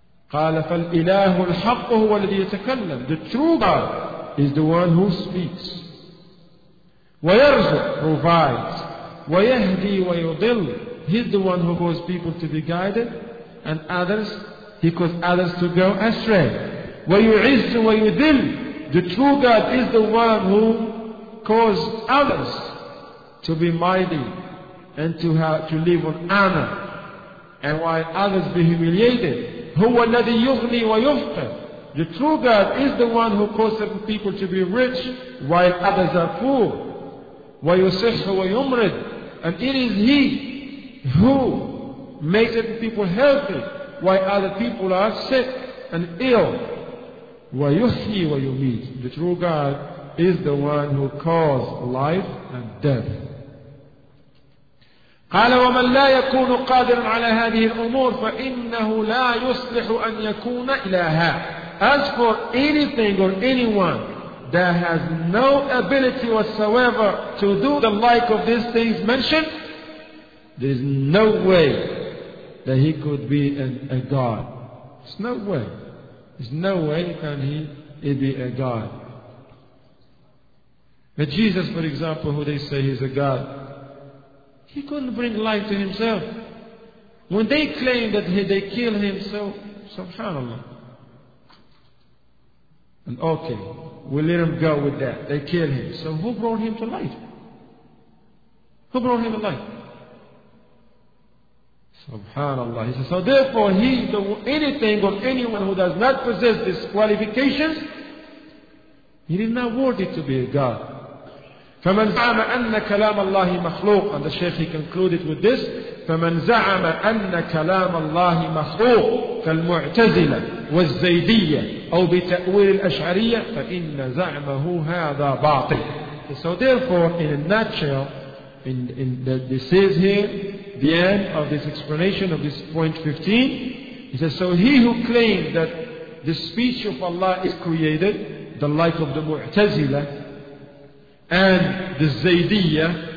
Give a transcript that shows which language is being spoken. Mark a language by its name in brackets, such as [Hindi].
[Arabic] قال فالإله الحق هو الذي يتكلم. [English] The true God is the one who speaks. ويرزق, provides. [Arabic] ويهدي ويضل. [English] He's the one who causes people to be guided, and others, he causes others to go astray. [Arabic] ويعز ويذل. [English] The true God is the one who causes others to be mighty and to live on honor, and while others be humiliated. [Arabic] هو الذي يغني ويفقر. [English] The true God is the one who causes certain people to be rich while others are poor. [Arabic] ويصح ويمرض. [English] And it is He who makes certain people healthy while other people are sick and ill. [Arabic] ويحيي ويميت. [English] The true God is the one who causes life and death. [Arabic] قال ومن لا يكون قادرا على هذه الأمور فإنه لا يصلح أن يكون إلها. [English] As for anything or anyone that has no ability whatsoever to do the like of these things mentioned, there is no way that he could be a God. There's no way. There's no way can he be a God. But Jesus, for example, who they say he's a God, he couldn't bring life to himself. When they claim that they kill him, so subhanAllah. And okay, we let him go with that. They kill him. So who brought him to life? Who brought him to life? Subhanallah. He says, so therefore, anything or anyone who does not possess these qualifications, he is not worthy to be a God. [Arabic] فَمَنْ زَعَمَ أَنَّ كَلَامَ اللَّهِ مَخْلُوقٌ. [English] And the Shaykh, he concluded with this, [Arabic] فَمَنْ زَعَمَ أَنَّ كَلَامَ اللَّهِ مَخْلُوقٌ كَالْمُعْتَزِلَةِ وَالزَّيْدِيَّةِ أَوْ بِتَأْوِيلِ الْأَشْعَرِيَّةِ فَإِنَّ زَعْمَهُ هَذَا بَاطِلٌ. [English] So therefore, in a nutshell, in that this says here, the end of this explanation of this point 15, he says, so he who claims that the speech of Allah is created, the life of the Mu'tazila and the Zaydiya,